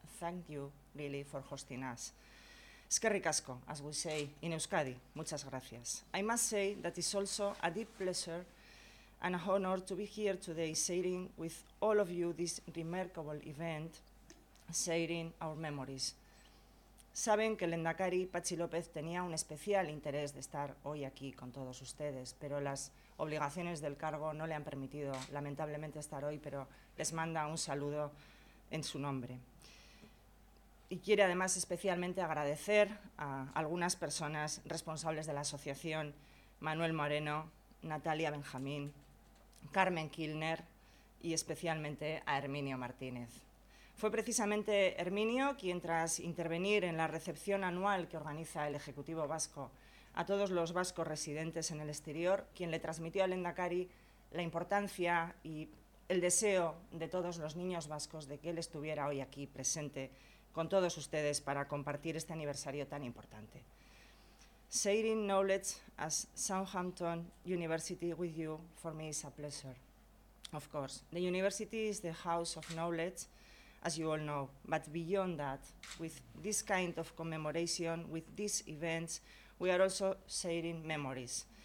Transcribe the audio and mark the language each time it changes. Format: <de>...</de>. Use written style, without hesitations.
<en>Thank you, really, for hosting us.</en> <eu>Eskerrik asko,</eu> <en>as we say in Euskadi,</en> <es>muchas gracias.</es> <en>I must say that it's also a deep pleasure and an honor to be here today, sharing with all of you this remarkable event, sharing our memories.</en> <es>Saben que el Lehendakari Patxi López tenía un especial interés de estar hoy aquí con todos ustedes, pero las obligaciones del cargo no le han permitido, lamentablemente, estar hoy, pero les manda un saludo en su nombre. Y quiere además especialmente agradecer a algunas personas responsables de la asociación: Manuel Moreno, Natalia Benjamín, Carmen Kilner y especialmente a Herminio Martínez. Fue precisamente Herminio quien, tras intervenir en la recepción anual que organiza el Ejecutivo Vasco a todos los vascos residentes en el exterior, quien le transmitió al Lehendakari la importancia y el deseo de todos los niños vascos de que él estuviera hoy aquí presente con todos ustedes para compartir este aniversario tan importante.</es> <en>Sharing knowledge at Southampton University with you, for me, is a pleasure, of course. The university is the house of knowledge, as you all know, but beyond that, with this kind of commemoration, with these events, we are also sharing memories.</en>